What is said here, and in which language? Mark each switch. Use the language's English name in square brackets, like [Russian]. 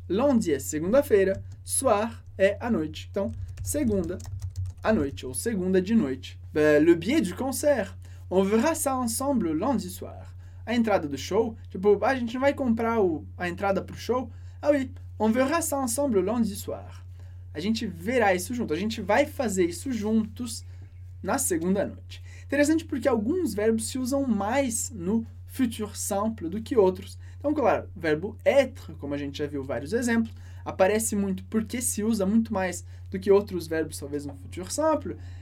[Portuguese] Lundi é segunda-feira, soir é à noite. Então, segunda à noite, ou segunda de noite. [French] Le billet du concert. On verra ça ensemble lundi soir. [Portuguese] A entrada do show, tipo, a gente não vai comprar a entrada pro show? [French] Ah, oui. On verra ça ensemble lundi soir. [Portuguese] A gente verá isso junto. A gente vai fazer isso juntos na segunda noite. Interessante porque alguns verbos se usam mais no futur simple do que outros. Então, claro, o verbo être, como a gente já viu vários exemplos, aparece muito porque se usa muito mais do que outros verbos, talvez no futur simple.